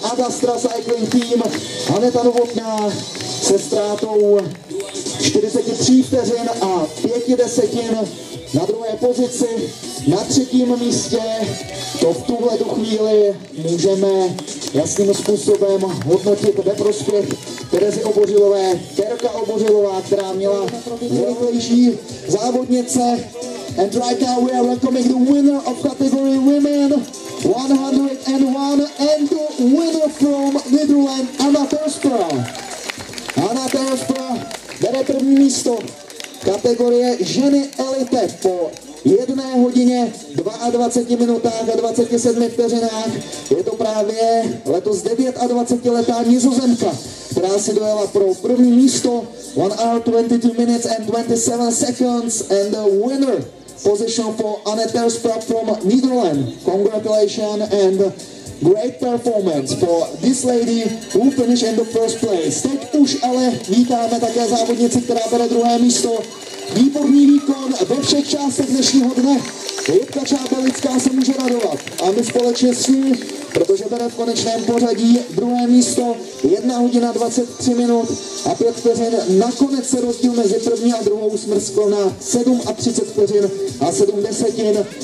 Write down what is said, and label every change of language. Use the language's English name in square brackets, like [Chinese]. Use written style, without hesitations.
[Czech] Adastra Cycling Team, Aneta Novotná se ztrátou 43 vteřin a 5 desetin na druhé pozici. Na třetím místě to v tuhle chvíli můžeme jasným způsobem hodnotit ve prospěch Terezy Obořilové. Terka Obořilová, která měla nejlepší závodnice. [English] And right now we are welcoming the winner of category women 101 and the winner from Netherlands, Anna Terpstra. [Czech] Anna Terpstra bere první místo kategorie ženy elite po 1 hodině 22 minutách a 27 vteřinách. Je to právě letos 29letá Nizozemka, která si dojela pro první místo [English] 1 hour 22 minutes and 27 seconds and the winner position for Anna Terpstra from Netherlands. Congratulations and great performance for this lady who finished in the first place. [Czech] Teď už ale vítáme také závodnici, která bere druhé místo. Výborný výkon ve všech částech dnešního dne. Jitka Čábelická se může radovat. A my společně s ní, protože bere v konečném pořadí druhé místo. 1 hodina 23 minut a 5 vteřin. Nakonec se rozdíl mezi první a druhou smrskl na 37 vteřin a 7 desetin.